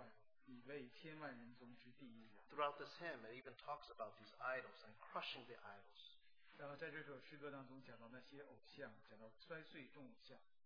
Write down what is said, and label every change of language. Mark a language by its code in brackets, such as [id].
[zh] 摔碎众偶像，并欢然加冠，你为千万人中之第一人。 [en] Throughout this hymn, it even talks about these idols and crushing the idols. [zh] 然后在这首诗歌当中讲到那些偶像，讲到摔碎众偶像。